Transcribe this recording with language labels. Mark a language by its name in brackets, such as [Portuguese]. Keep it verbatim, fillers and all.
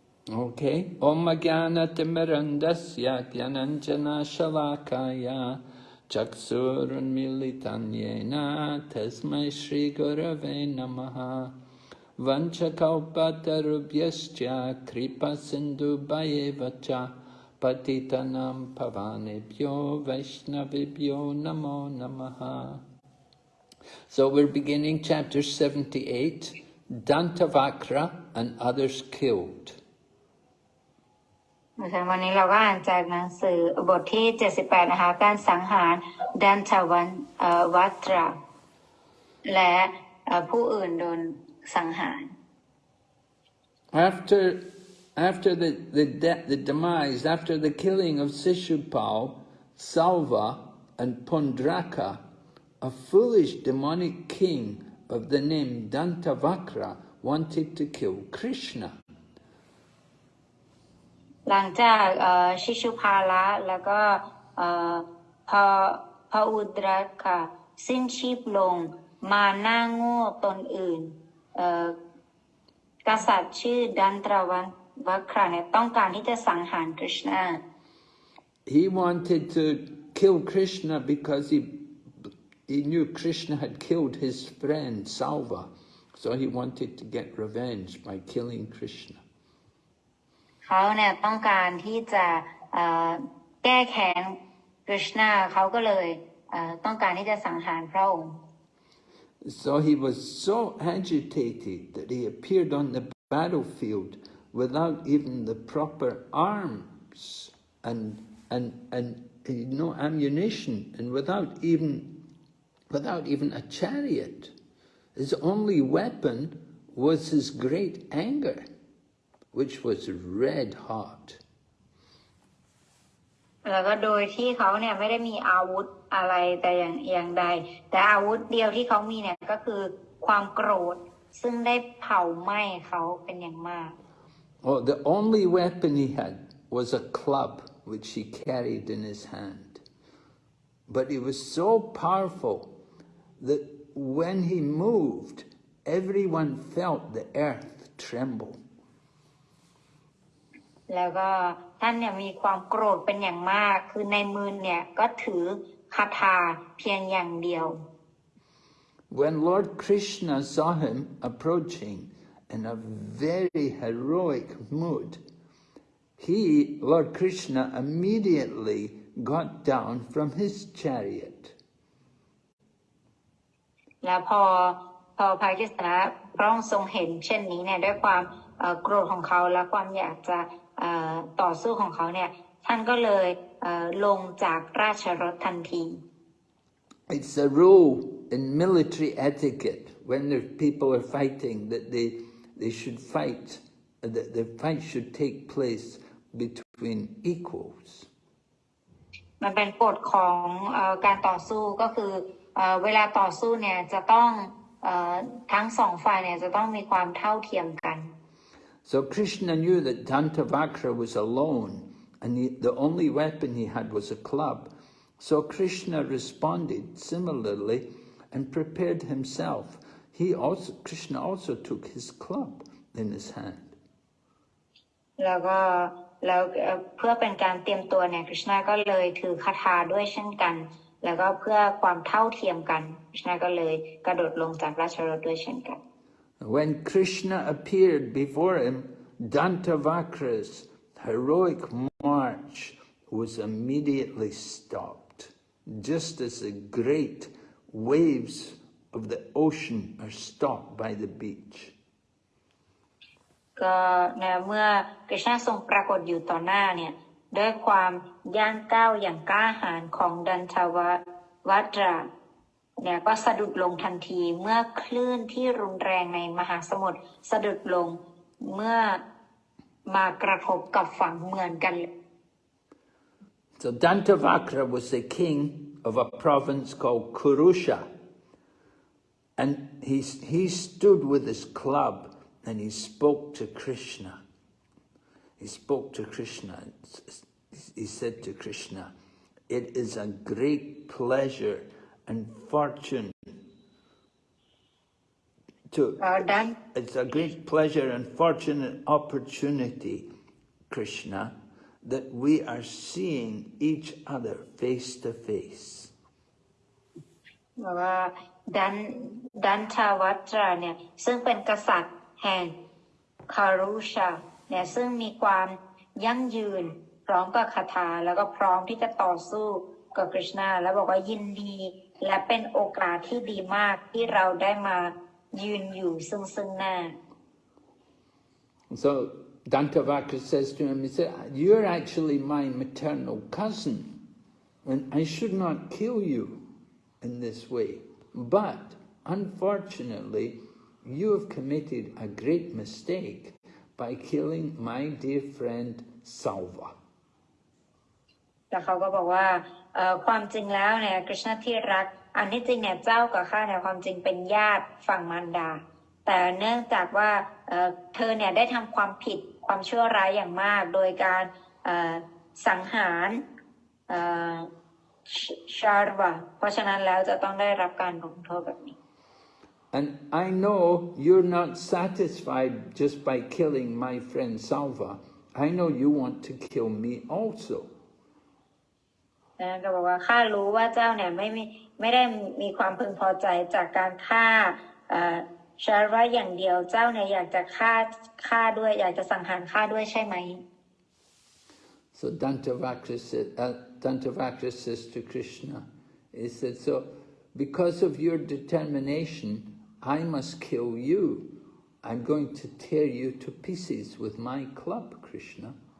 [Sanskrit] Okay. Om Ajnana Timirandasya Gyananjana Shalakaya Chaksurun Militanyena Tasmai Shri Gurave Namaha Vanchakalpatarubhyascha Kripa Sindhu Bhayevacha Patitanam Pavanebhyo Vaishnavibhyo Namo Namaha. [English] So we're beginning chapter seventy-eight, Dantavakra and others killed. [Thai] เพราะฉะนั้นวันนี้เราก็อ่านจากหนังสือบทที่ เจ็ดสิบแปด นะคะ การสังหารดันทวันเอ่อวัตระ และเอ่อผู้อื่นโดนสังหาร [English] After, after the, the, de- the demise, after the killing of Sishupal, Salva, and Pondraka, a foolish demonic king of the name Dantavakra wanted to kill Krishna. [Thai] หลังจากเอ่อชิชุพาละแล้วก็เอ่อพอพออุดรัตค่ะ สิ้นชีพลงมาหน้าโง่ตนอื่นเอ่อกษัตริย์ชื่อดันทวันวัคราเนี่ยต้องการที่จะสังหารคริชนา [English] He wanted to kill Krishna because he he knew Krishna had killed his friend Salva, so he wanted to get revenge by killing Krishna. [Thai] เขาเนี่ยต้องการที่จะเอ่อแก้แค้นคริชนาเขาก็เลยเอ่อต้องการที่จะสังหารพระองค์ [English] So he was so agitated that he appeared on the battlefield without even the proper arms and and and eh, no ammunition, and without even without even a chariot. His only weapon was his great anger, which was red hot. [Thai] แล้วก็โดยที่เขาเนี่ยไม่ได้มีอาวุธอะไรแต่อย่างอย่างใด แต่อาวุธเดียวที่เขามีเนี่ยก็คือความโกรธซึ่งได้เผาไหม้เขาเป็นอย่างมาก [English] Oh, the only weapon he had was a club which he carried in his hand. But it was so powerful that when he moved, everyone felt the earth tremble. [Thai] แล้วก็ท่านเนี่ยมีความโกรธเป็นอย่างมาก คือในมือเนี่ยก็ถือคาถาเพียงอย่างเดียว [English] When Lord Krishna saw him approaching in a very heroic mood, he, Lord Krishna, immediately got down from his chariot. [Thai] แล้วพอพอพระกิษณะพระองค์ทรงเห็นเช่นนี้เนี่ยด้วยความเอ่อโกรธของเขาและความอยากจะเอ่อต่อสู้ของเขาเนี่ยท่านก็เลยเอ่อลงจากราชรถทันที [English] It's a rule in military etiquette when the people are fighting that they they should fight that the fight should take place between equals. [Thai] มันเป็นกฎของเอ่อการต่อสู้ก็คือเอ่อเวลาต่อสู้เนี่ยจะต้องเอ่อทั้งสองฝ่ายเนี่ยจะต้องมีความเท่าเทียมกัน [English] So Krishna knew that Dantavakra was alone, and he, the only weapon he had was a club. So Krishna responded similarly and prepared himself. He also, Krishna also took his club in his hand. [Thai] แล้วก็แล้วเอ่อเพื่อเป็นการเตรียมตัวเนี่ยคริชนาก็เลยถือคาถาด้วยเช่นกัน แล้วก็เพื่อความเท่าเทียมกันคริชนาก็เลยกระโดดลงจากราชรถด้วยเช่นกัน [English] When Krishna appeared before him, Dantavakra's heroic march was immediately stopped, just as the great waves of the ocean are stopped by the beach. [Thai] ก็ในเมื่อคริชนาทรงปรากฏอยู่ต่อหน้าเนี่ยด้วยความย่างก้าวอย่างกล้าหาญของดันทาวะวัตราเนี่ยก็สะดุดลงทันทีเมื่อคลื่นที่รุนแรงในมหาสมุทรสะดุดลงเมื่อมากระทบกับฝั่งเหมือนกัน [English] So Dantavakra was the king of a province called Kurusha. And he, he stood with his club and he spoke to Krishna. He spoke to Krishna. He said to Krishna, "It is a great pleasure and fortune to, [Thai] เอ่อดัน [English] it's a great pleasure and fortunate opportunity, Krishna, that we are seeing each other face to face." [Thai] แบบว่าดันดันทาวัตราเนี่ยซึ่งเป็นกษัตริย์แห่งคารุชาเนี่ยซึ่งมีความยั่งยืนพร้อมกับคาถาแล้วก็พร้อมที่จะต่อสู้กับกฤษณาแล้วบอกว่ายินดีและเป็นโอกาสที่ดีมากที่เราได้มายืนอยู่ซึ่งซึ่งหน้า [English] So Dantavakra says to him, he said, "You're actually my maternal cousin, and I should not kill you in this way. But unfortunately, you have committed a great mistake by killing my dear friend Salva." [Thai] แต่เขาก็บอกว่าเอ่อความจริงแล้วเนี่ยกฤษณาที่รักอันที่จริงเนี่ยเจ้ากับข้าเนี่ยความจริงเป็นญาติฝั่งมารดา แต่เนื่องจากว่าเอ่อเธอเนี่ยได้ทำความผิดความชั่วร้ายอย่างมาก โดยการเอ่อสังหารเอ่อชารวะเพราะฉะนั้นแล้วจะต้องได้รับการลงโทษแบบนี้ [English] And I know you're not satisfied just by killing my friend Salva. I know you want to kill me also. [Thai] นะก็บอกว่าข้ารู้ว่าเจ้าเนี่ยไม่มีไม่ได้มีความพึงพอใจจากการฆ่าเอ่อชาร์วะอย่างเดียวเจ้าเนี่ยอยากจะฆ่าฆ่าด้วย อยากจะสังหารฆ่าด้วยใช่ไหม [English] So Dantavakra said, uh, Dantavakra says to Krishna, he said, "So because of your determination, I must kill you. I'm going to tear you to pieces with my club, Krishna."